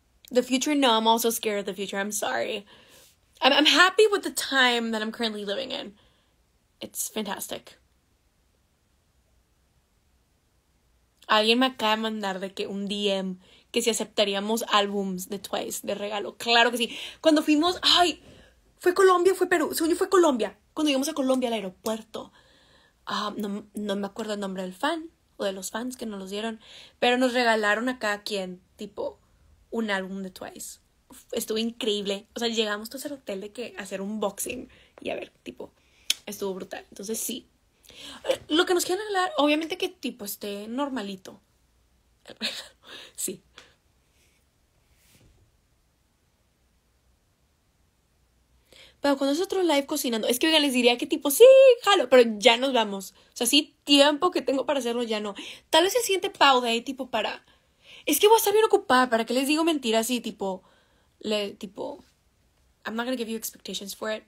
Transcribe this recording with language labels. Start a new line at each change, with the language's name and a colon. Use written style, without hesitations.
English: The future? No, I'm also scared of the future. I'm sorry. I'm happy with the time that I'm currently living in. It's fantastic.
Spanish: Alguien me acaba de mandar de que un DM que si aceptaríamos álbums de Twice de regalo. Claro que sí. Cuando fuimos, ay, fue Colombia, fue Perú. Según yo fue Colombia. Cuando llegamos a Colombia al aeropuerto. No me acuerdo el nombre del fan o de los fans que nos los dieron. Pero nos regalaron a cada quien, tipo, un álbum de Twice. Estuvo increíble. O sea, llegamos todos al hotel de que hacer un unboxing. Y a ver, tipo, estuvo brutal. Entonces, sí. Lo que nos quieren hablar, obviamente que, tipo, esté normalito. Sí. Pero cuando es otro live cocinando, es que, oiga, les diría que, tipo, sí, jalo, pero ya nos vamos. O sea, sí, tiempo que tengo para hacerlo, ya no. Tal vez el siguiente pau de ahí, tipo, para... Es que voy a estar bien ocupada. ¿Para qué les digo mentiras? Sí, tipo...
English: I'm not gonna give you expectations for it.